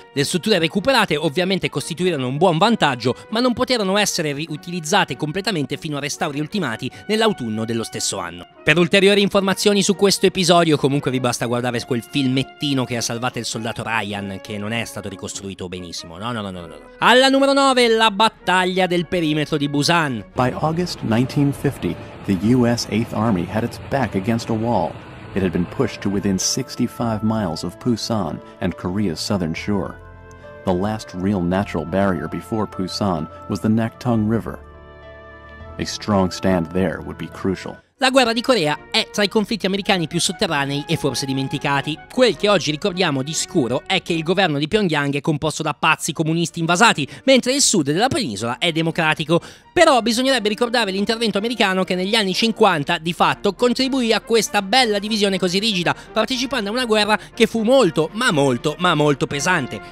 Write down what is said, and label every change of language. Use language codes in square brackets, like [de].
[it] Le strutture recuperate ovviamente costituirono un buon vantaggio, ma non poterono essere riutilizzate completamente fino a restauri ultimati nell'autunno dello stesso anno. Per ulteriori informazioni su questo episodio comunque vi basta guardare quel filmettino che ha salvato il soldato Ryan, che non è stato ricostruito benissimo, no. Alla numero 9, la battaglia del perimetro di Busan. [en] By August 1950, the US 8th Army had its back against a wall. It had been pushed to within 65 miles of Pusan and Korea's southern shore. The last real natural barrier before Pusan was the Nakdong River. A strong stand there would be crucial. [it] La guerra di Corea è tra i conflitti americani più sotterranei e forse dimenticati. Quel che oggi ricordiamo di scuro è che il governo di Pyongyang è composto da pazzi comunisti invasati, mentre il sud della penisola è democratico. Però bisognerebbe ricordare l'intervento americano che negli anni 50, di fatto, contribuì a questa bella divisione così rigida, partecipando a una guerra che fu molto pesante.